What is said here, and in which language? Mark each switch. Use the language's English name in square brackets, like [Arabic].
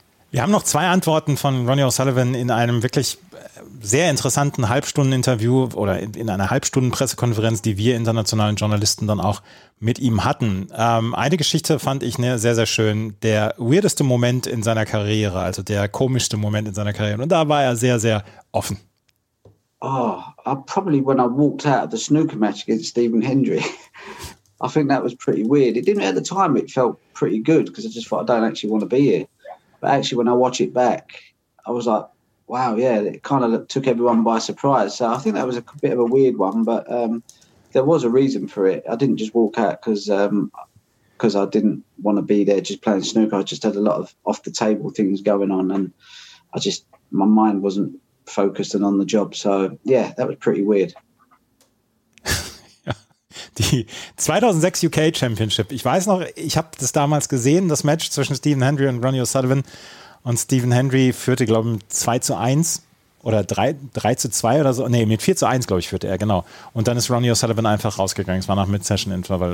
[German] Wir haben noch zwei Antworten von Ronnie O'Sullivan in einem wirklich sehr interessanten Halbstunden-Interview oder in einer Halbstunden-Pressekonferenz, die wir internationalen Journalisten dann auch mit ihm hatten. Eine Geschichte fand ich sehr, sehr schön. Der weirdeste Moment in seiner Karriere, also der komischste Moment in seiner Karriere, und da war er sehr, sehr offen. [English] Oh, probably when I walked out of the snooker match against Stephen Hendry. I think that was pretty weird. It didn't at the time, it felt pretty good because I just thought I don't actually want to be here. But actually, when I watch it back, I was like, wow, yeah, it kind of took everyone by surprise. So I think that was a bit of a weird one, but there was a reason for it. I didn't just walk out because I didn't want to be there just playing snooker. I just had a lot of off the table things going on and I just, my mind wasn't focused and on the job. So yeah, that was pretty weird. [German] Die 2006 UK Championship. Ich weiß noch, ich habe das damals gesehen, das Match zwischen Stephen Hendry und Ronnie O'Sullivan. Und Stephen Hendry führte, glaube ich, 2-1 oder 3-2 oder so. Nee, mit 4-1, glaube ich, führte er, genau. Und dann ist Ronnie O'Sullivan einfach rausgegangen. Es war nach Mid-Session-Intervall.